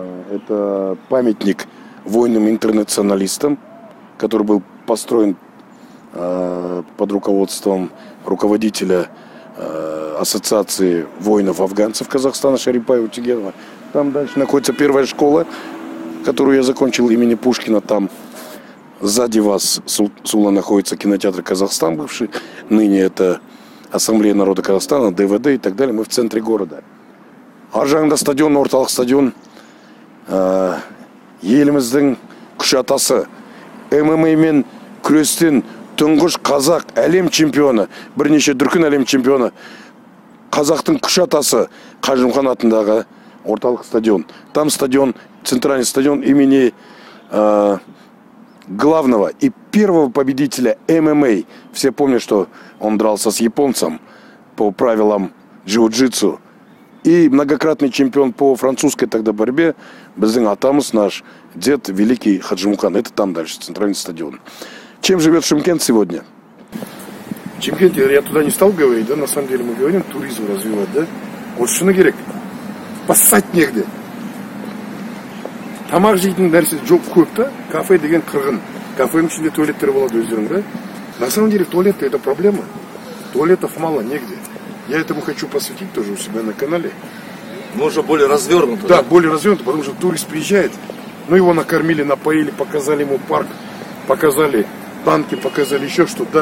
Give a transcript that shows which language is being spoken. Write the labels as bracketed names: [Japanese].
[Russian] Это памятник воинам-интернационалистам, который был построен под руководством руководителя ассоциации воинов-афганцев Казахстана Шарипаева Утигенова. Там дальше находится первая школа, которую я закончил имени Пушкина. Там сзади вас, Сула, находится кинотеатр «Казахстан», бывший. Ныне это Ассамблея народа Казахстана, ДВД и так далее. Мы в центре города. [Kazakh] Аржанда стадион, Орталық стадион. Еліміздің күш атасы ММА мен күрестен тұңғыш қазақ әлем чемпионы, бірнеше дүркін әлем чемпионы, қазақтың күш атасы Қажымқан атындағы Орталық стадион. [Russian] Там стадион, центральный стадион имени главного и первого победителя ММА. Все помнят, что он дрался с японцем по правилам джиу-джитсу. И многократный чемпион по французской тогда борьбе, [Kazakh] біздің атамыз, [Russian] наш дед, великий Хаджимухан. Это там дальше, центральный стадион. Чем живет Шымкент сегодня? Шымкент, я туда не стал говорить, да, на самом деле мы говорим, туризм развивать, да? Вот что на керек? Пасать негде. [Kazakh] Тамақ жейтін нәрсе жоқ көп, да? Кафе деген қырғын. Кафе ішінде туалеттер болады өздерің, да? [Russian] На самом деле туалеты это проблема. Туалетов мало негде. Я этому хочу посвятить тоже у себя на канале. Но уже более развернуто. Да, более развернуто, потому что турист приезжает. Ну, его накормили, напоили, показали ему парк, показали танки, показали еще что-то.